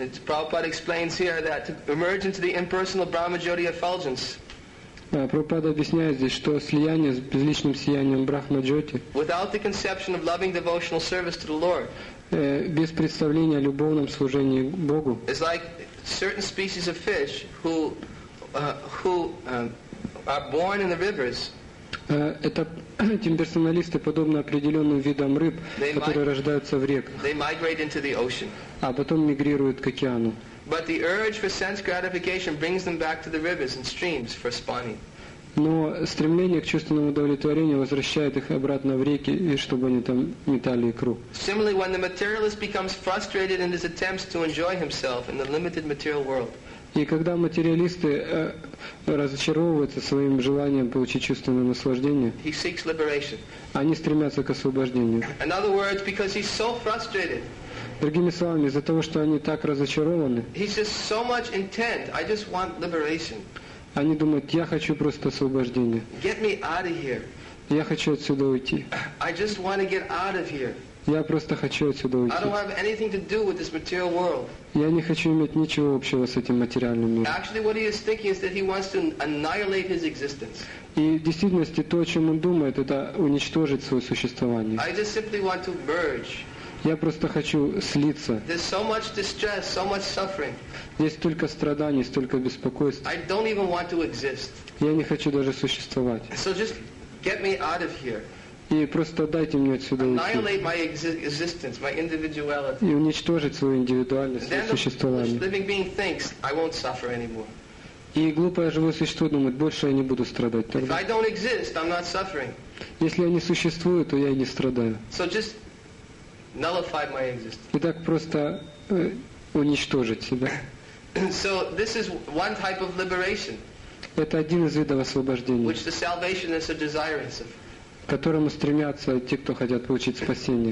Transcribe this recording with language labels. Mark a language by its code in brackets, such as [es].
[en] Prabhupada explains here that to emerge into the impersonal Brahma-jyoti effulgence. [ru] Прабхупада объясняет здесь, что слияние с безличным сиянием Брахма-джоти. [en] Without the conception of loving devotional service to the Lord. [ru] Без представления о любовном служении Богу. [en] It's like certain species of fish who are born in the rivers. [ru] Это имперсоналисты подобно определенным видам рыб, которые рождаются в реках. [en] They migrate into the ocean. [ru] А потом мигрируют к океану. [en] But the urge for sense gratification brings them back to the rivers and streams for spawning. [ru] Но стремление к чувственному удовлетворению возвращает их обратно в реки, и чтобы они там метали икру. [en] Similarly, when the materialist becomes frustrated in his attempts to enjoy himself in the limited material world. [ru] И когда материалисты разочаровываются своим желанием получить чувственное наслаждение, [en] he seeks liberation. [ru] Они стремятся к освобождению. [en] In other words, because he's so frustrated. [ru] Другими словами, из-за того, что они так разочарованы, [en] he's just so much intent. I just want liberation. [ru] Они думают, я хочу просто освобождения. [en] Get me out of here. [ru] Я хочу отсюда уйти. [en] I just want to get out of here. [ru] Я просто хочу отсюда уйти. [en] I don't have anything to do with this material world. [ru] Я не хочу иметь ничего общего с этим материальным миром. [en] Actually, what he is thinking is that he wants to annihilate his existence. [ru] И в действительности то, о чем он думает, это уничтожить свое существование. [en] I just simply want to merge. [ru] Я просто хочу слиться. [en] There's so much distress, so much suffering. [ru] Есть столько страданий, столько беспокойств. [en] I don't even want to exist. [ru] Я не хочу даже существовать. [en] So just get me out of here. [ru] И просто дайте мне отсюда уйти. [en] Annihilate my existence, my individuality. [ru] И уничтожить свою индивидуальность, [en] then [ru] существование. [en] The living being thinks, I won't suffer anymore. [ru] И глупое живое существо думает, больше я не буду страдать. Тогда. [en] If I don't exist, I'm not suffering. [ru] Если я не существую, то я и не страдаю. [en] So just nullify my existence. [ru] Итак, просто уничтожить себя. [en] So this is one type of liberation. [ru] Это один из видов освобождения. [en] Which the salvationists are desirous of. [ru] К которому стремятся те, кто хотят получить спасение.